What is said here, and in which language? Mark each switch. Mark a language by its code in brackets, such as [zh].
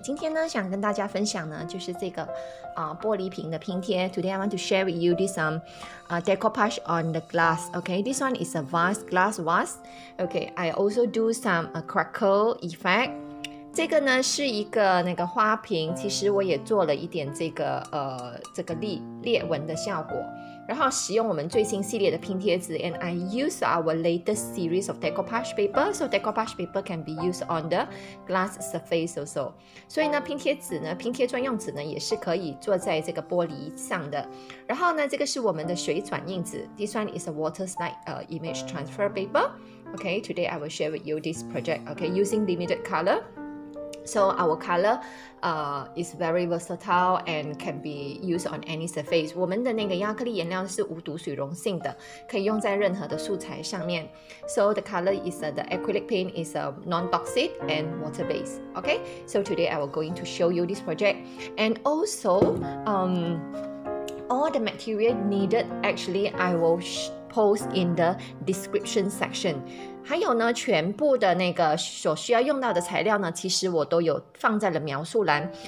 [zh] 今天呢，想跟大家分享呢，就是这个、玻璃瓶的拼贴。 [en] Today I want to share with you this decoupage on the glass. Okay, this one is a vase, glass vase. Okay, I also do some crackle effect. [zh] 这个呢是一个那个花瓶，其实我也做了一点这个裂纹的效果，然后使用我们最新系列的拼贴纸 [en] ，and I use our latest series of decoupage paper, so decoupage paper can be used on the glass surface also. [zh] 所以呢，拼贴纸呢，拼贴专用纸呢，也是可以做在这个玻璃上的。然后呢，这个是我们的水转印纸 [en] ，this one is a water slide image transfer paper. Okay, today I will share with you this project. Okay, using limited color. So our color is very versatile and can be used on any surface. [zh] 我们的那个亚克力颜料是无毒水溶性的，可以用在任何的素材上面。 [en] So the color is the acrylic paint is a non-toxic and water-based. Okay, so today I will going to show you this project. And also, all the material needed, actually, I will post in the description section. [zh] 还有呢，全部的那个所需要用到的材料呢，其实我都有放在了描述栏。